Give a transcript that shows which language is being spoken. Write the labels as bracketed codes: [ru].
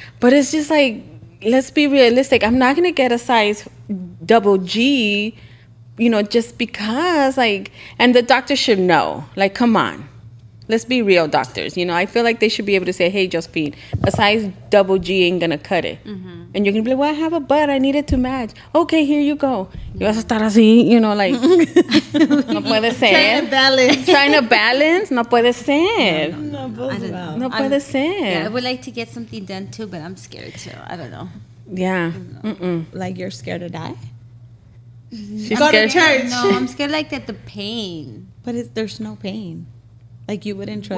[en] But it's just like, let's be realistic. I'm not going to get a size double G, you know, just because, like, and the doctor should know. Like, come on. Let's be real, doctors. You know, I feel like they should be able to say, hey, Josephine, a size double G ain't going to cut it. Mm-hmm. And you're going to be like, well, I have a butt. I need it to match. Okay, here you go. [es] You vas a estar así, [en] you know, like, [es] no puede ser. [en] Trying to balance. Trying to balance? [es] No puede ser. No puede ser. [en] Yeah, I would like to get something done too, but I'm scared too. I don't know. Yeah. Like you're scared to die? She's scared. Go to church. No, I'm scared like that the pain. But there's no pain. Like you wouldn't trust.